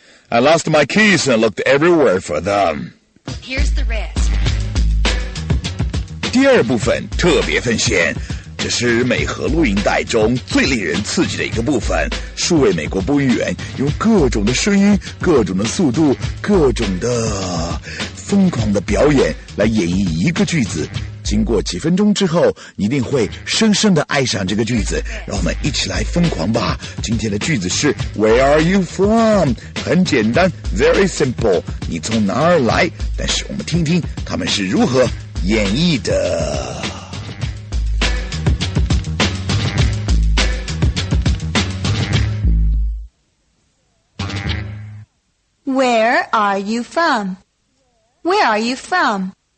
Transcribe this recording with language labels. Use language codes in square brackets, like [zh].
[en] I lost my keys and looked everywhere for them. Here's the rest. [zh] 第二部分特别奉献，这是美和录音带中最令人刺激的一个部分。数位美国播音员用各种的声音、各种的速度、各种的疯狂的表演来演绎一个句子。经过几分钟之后，你一定会深深地爱上这个句子。让我们一起来疯狂吧！今天的句子是 [en] Where are you from? [zh] 很简单 ， [en] very simple。 [zh] 你从哪儿来？但是我们听听他们是如何演绎的。 [en] Where are you from? Where are you from?